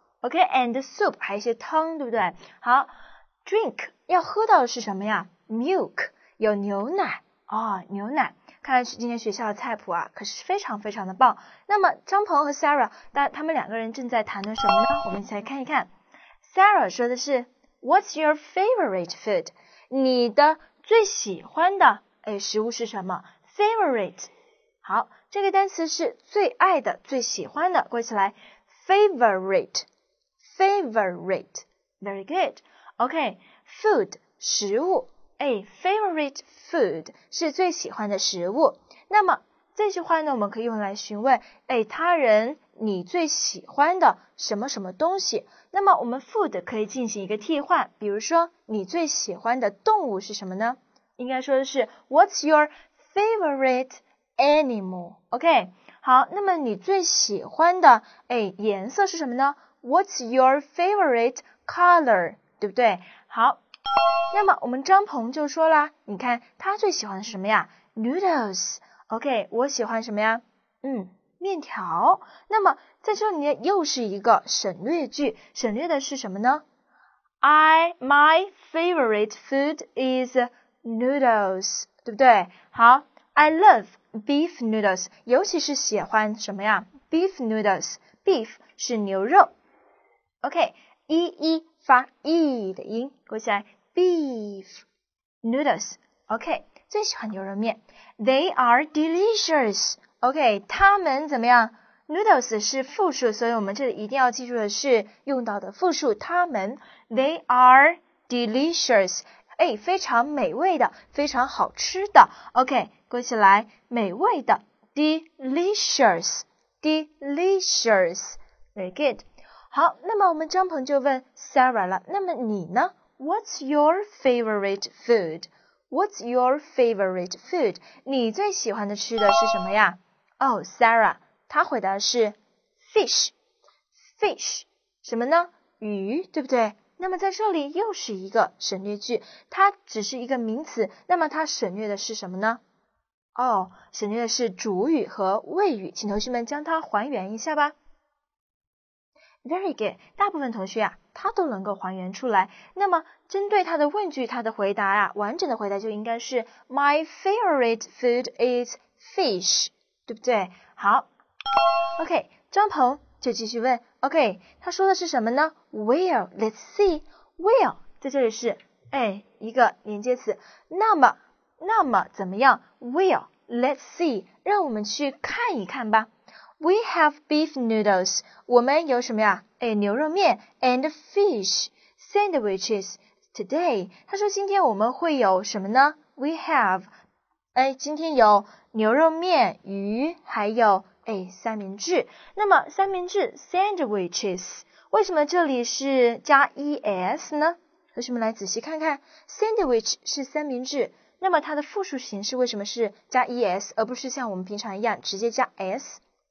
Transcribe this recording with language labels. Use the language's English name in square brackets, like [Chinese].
[English] OK, and soup, [Chinese] 还有一些汤，对不对？好， drink 要喝到的是什么呀？ milk, 有牛奶哦，牛奶。看来今天学校的菜谱啊，可是非常非常的棒。那么张鹏和 Sarah, 他们两个人正在谈论什么呢？我们一起来看一看。 [English] Sarah [Chinese] 说的是 [English] What's your favorite food? [Chinese] 你的最喜欢的食物是什么？ Favorite, 好，这个单词是最爱的，最喜欢的，过起来 [English] Favorite, Favorite, very good. [Chinese] OK, food, 食物。Favorite food 是最喜欢的食物。那么这句话呢，我们可以用来询问他人你最喜欢的什么什么东西。那么我们 food 可以进行一个替换，比如说你最喜欢的动物是什么呢？应该说的是 [English] What's your favorite animal? [Chinese] OK, 好，那么你最喜欢的颜色是什么呢？ [English] What's your favorite color? [Chinese] 对不对？好，那么我们张鹏就说了，你看他最喜欢什么呀？ Noodles。 OK, 我喜欢什么呀？面条。那么在这里面又是一个省略句，省略的是什么呢？ [English] My favorite food is noodles, [Chinese] 对不对？ [English] 好， I love beef noodles, [Chinese] 尤其是喜欢什么呀？ beef noodles, beef 是牛肉。 OK, 一发 E 的音，过起来 [English] Beef noodles, [Chinese] OK, 最喜欢牛肉面。 [English] They are delicious, OK, [Chinese] 他们怎么样？ Noodles 是复数，所以我们这里一定要记住的是用到的复数，他们。 [English] They are delicious, [Chinese] 非常美味的，非常好吃的。 OK, 过起来，美味的 ， [English] delicious, delicious, very good. [Chinese] 好，那么我们张鹏就问 Sarah 了，那么你呢？ [English] What's your favorite food? What's your favorite food? [Chinese] 你最喜欢的吃的是什么呀？Sarah, 她回答是 fish. Fish, 什么呢？鱼，对不对？那么在这里又是一个省略句，它只是一个名词，那么它省略的是什么呢？省略的是主语和谓语，请同学们将它还原一下吧。 [English] Very good, [Chinese] 大部分同学啊，他都能够还原出来。那么针对他的问句，他的回答啊，完整的回答就应该是 [English] My favorite food is fish, [Chinese] 对不对？好， OK, 张鹏就继续问， OK, 他说的是什么呢？ [English] Well, let's see, well, [Chinese] 在这里是一个连接词，那么怎么样？ [English] Well, let's see, [Chinese] 让我们去看一看吧。 [English] We have beef noodles. [Chinese] 我们有什么呀？牛肉面 [English] and fish sandwiches today. [Chinese] 他说今天我们会有什么呢？ [English] We have, [Chinese] 今天有牛肉面、鱼，还有三明治。那么三明治 sandwiches 为什么这里是加 es 呢？同学们来仔细看看 ，sandwich 是三明治。那么它的复数形式为什么是加 es 而不是像我们平常一样直接加 s？